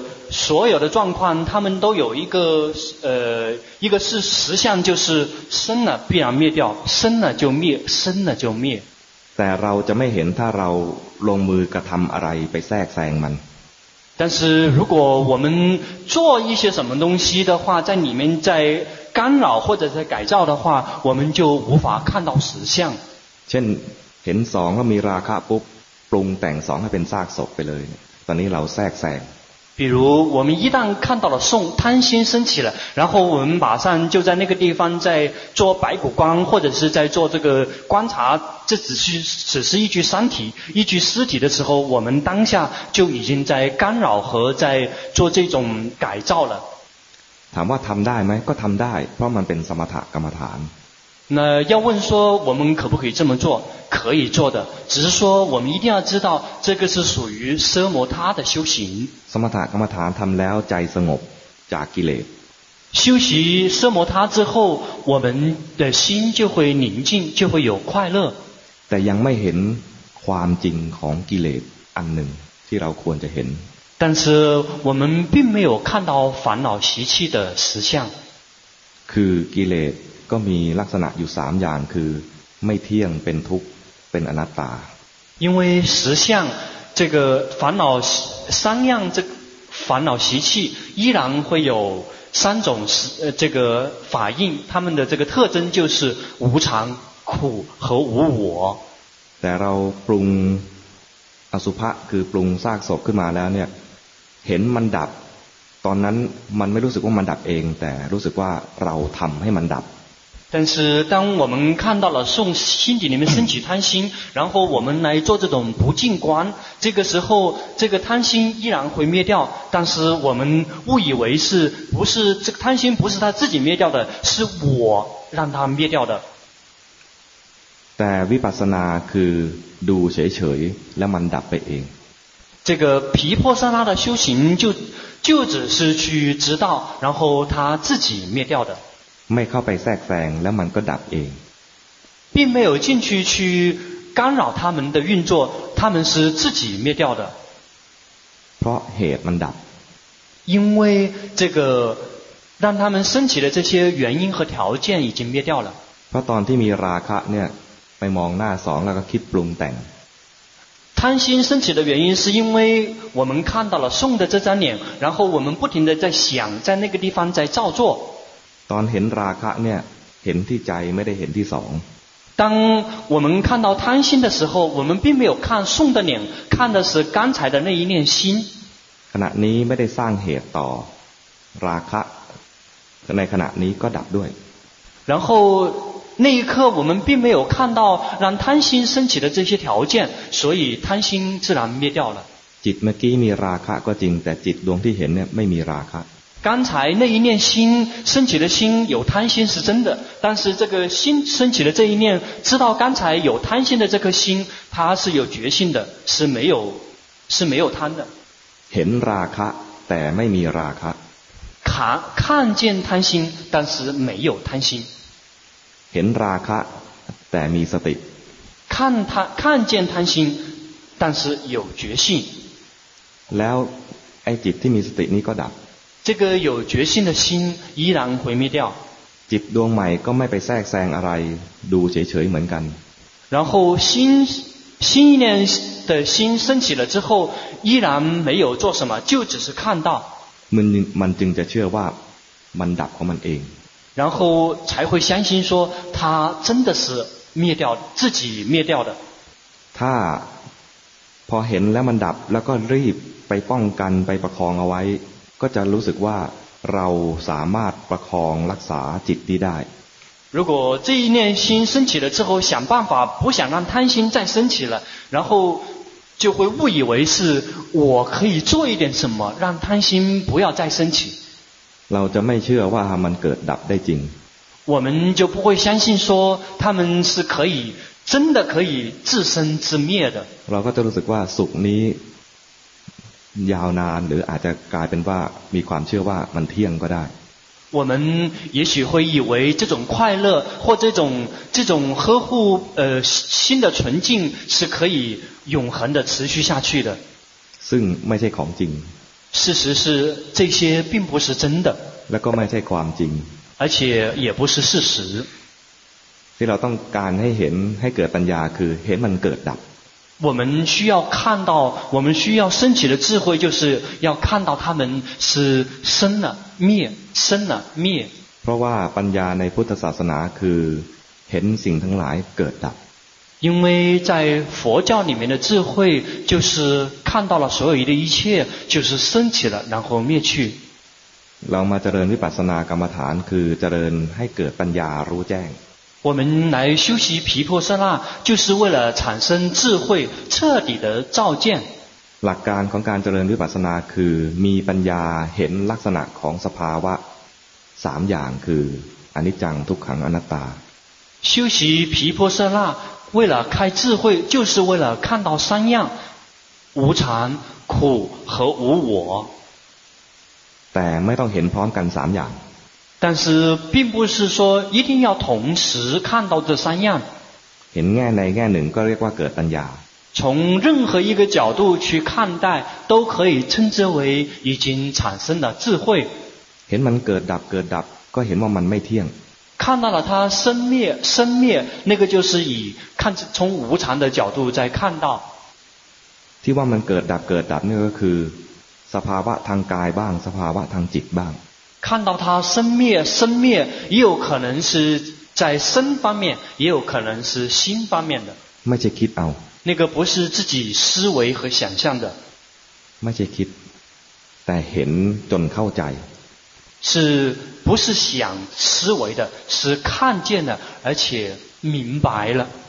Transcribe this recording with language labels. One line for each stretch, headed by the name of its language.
Chinese: 所有的状况他们都有一个是实相就是生了必然灭掉生了就灭生了就灭
Thai: แต่เราจะไม่เห็นถ้าเราลงมือกระทำอะไรไปแทรกแซงมัน
Chinese: 但是如果我们做一些什么东西的话在里面在干扰或者在改造的话我们就无法看到实相
Thai: เช่นเห็นสองแล้วมีราคะปุ๊บปรุงแต่งสองให้เป็นซากศพไปเลยตอนนี้เราแทรกแซง
Chinese: 比如我们一旦看到了送贪心升起了然后我们马上就在那个地方在做白骨观或者是在做这个观察这只是一具身体一具尸体的时候我们当下就已经在干扰和在做这种改造了
Thai: ถามว่าทำได้ไหมก็ทำได้เพราะมันเป็นสมถะกรรมฐาน
Chinese: 那要问说我们可不可以这么做，可以做的，只是说我们一定要知道这个是属于奢摩他的修行。
Thai: สมถะกรรมฐานทำแล้วใจสงบจากกิเลส。
Chinese: 修习奢摩他之后，我们的心就会宁静，就会有快乐。
Thai: แต่ยังไม่เห็นความจริงของกิเลสอันหนึ่งที่เราควรจะเห็น。
Chinese: 但是我们并没有看到烦恼习气的实相。
Thai: คือกิเลสก็มีลักษณะอยู่3อย่างคือไม่เที่ยงเป็นทุกข์เป็นอนัตตา
Chinese: 因为实相这个烦恼三样这烦恼习气依然会有三种这个法印它们的这个特征就是无常苦和无我
Thai: แต่เราปรุงอสุภะคือปรุงซากศพขึ้นมาแล้วเนี่ยเห็นมันดับตอนนั้นมันไม่รู้สึกว่ามันดับเองแต่รู้สึกว่าเราทําให้มันดับ
Chinese: 但是当我们看到了送心底里面升起贪心然后我们来做这种不净观这个时候这个贪心依然会灭掉但是我们误以为是不是这个贪心不是他自己灭掉的是我让他灭掉的
Thai: แต่วิปัสสนาคือดูเฉยๆแล้วมันดับไปเอง
Chinese: 这个毗婆舍那的修行就只是去知道然后他自己灭掉的
Thai: ไม่เข้าไปแทรกแซงแล้วมันก็ดับเอง
Chinese: 并没有进去去干扰他们的运作他们是自己灭掉的
Thai: เพราะเหตุมันดับ
Chinese: 因为这个让他们升起的这些原因和条件已经灭掉了
Thai: เพราะตอนที่มีราคะเนี่ยไปมองหน้าสองแล้วก็คิดปรุงแต่ง
Chinese: 贪心升起的原因是因为我们看到了送的这张脸然后我们不停的在想在那个地方在造作
Thai: ตอนเห็นราคะเนี่ยเห็นที่ใจไม่ได้เห็นที่สอง
Chinese: 当我们看到贪心的时候我们并没有看送的脸看的是刚才的那一念心
Thai: ขณะนี้ไม่ได้สร้างเหตุต่อราคะในขณะนี้ก็ดับด้วย
Chinese: 然后那一刻我们并没有看到让贪心升起的这些条件所以贪心自然灭掉了
Thai: จิตเมื่อกี้มีราคะก็จริงแต่จิตดวงที่เห็นเนี่ยไม่มีราคะ
Chinese: 刚才那一念心升起的心有贪心是真的但是这个心升起的这一念知道刚才有贪心的这颗心它是有觉性的是没有贪的
Thai: เห็นราคะแต่ไม่มีราคะ
Chinese: 看见贪心但是没有贪心
Thai: เห็นราคะแต่มีสติ
Chinese: 看见贪心但是有觉性
Thai: แล้วไอ้จิตที่มีสตินี้ก็ดับ
Chinese: 这个有决心的心依然毁灭掉
Thai: จิตดวงใหม่ก็ไม่ไปแทรกแซงอะไรดูเฉยๆเหมือนกัน
Chinese: 然后新一念的心升起了之后依然没有做什么就只是看到
Thai: มันจึงจะเชื่อว่ามันดับของมันเอง
Chinese: 然后才会相信说它真的是灭掉自己灭掉的
Thai: ถ้าพอเห็นแล้วมันดับแล้วก็รีบไปป้องกันไปประคองเอาไว้ก็จะรู้สึกว่าเราสามารถประคองรักษาจิตที่ได้
Chinese: 如果这一念心升起了之后想办法不想让贪心再升起了然后就会误以为是我可以做一点什么让贪心不要再升起
Thai: เราจะไม่เชื่อว่ามันเกิดดับได้จริง
Chinese: 我们就不会相信说他们是可以真的可以自生自灭的
Thai: เราก็จะรู้สึกว่าสุขนี้ยาวนานหรืออาจจะกลายเป็นว่ามีความเชื่อว่ามันเที่ยงก็ได้
Chinese: 我们也许会以为这种快乐或这种呵护心的纯净是可以永恒的持续下去的
Thai: ซึ่งไม่ใช่ของจริง
Chinese: 事实是这些并不是真的
Thai: และก็ไม่ใช่ความจริง
Chinese: 而且也不是事实
Thai: ที่เราต้องการให้เห็นให้เกิดปัญญาคือเห็นมันเกิดดับ
Chinese: 我们需要看到我们需要升起的智慧就是要看到他们是生了灭生了灭
Thai: เพราะว่าปัญญาในพุทธศาสนาคือเห็นสิ่งทั้งหลายเกิดดับ
Chinese: 因为在佛教里面的智慧就是看到了所有的一切就是升起了然后灭去
Thai: เรามาเจริญวิปัสสนากรรมฐานคือเจริญให้เกิดปัญญารู้แจ้ง
Chinese: 我们来修习毗婆舍那就是为了产生智慧彻底的照见
Thai: หลักการของการเจริญวิปัสสนาคือมีปัญญาเห็นลักษณะของสภาวะ3อย่างคืออนิจจังทุกขังอนัตตา
Chinese: 修习毗婆舍那，为了开智慧，就是为了看到三样：无常、苦和无我。但
Thai: ไม่ต้องเห็นพร้อมกัน
Chinese: 三样。但是并不是说一定要同时看到这三样。
Thai: เห็นแง่ใดแง่หนึ่งก็เรียกว่าเกิดปัญญา。
Chinese: 从任何一个角度去看待，都可以称之为已经产生了智慧。
Thai: เห็นมันเกิดดับเกิดดับก็เห็นว่ามันไม่เที่ยง。
Chinese: 看到了它生灭生灭，那个就是以看从无常的角度在看到。
Thai: ที่ว่ามันเกิดดับเกิดดับนี่ก็คือสภาวะทางกายบ้างสภาวะทางจิตบ้าง。
Chinese: 看到它生灭生灭，也有可能是在身方面，也有可能是心方面的。
Thai: ไม่ใช่คิดเอา。
Chinese: 那个不是自己思维和想象的。
Thai: ไม่ใช่คิดแต่เห็นจนเข้าใจ。
Chinese: 是不是想思维的，是看见了而且明白了。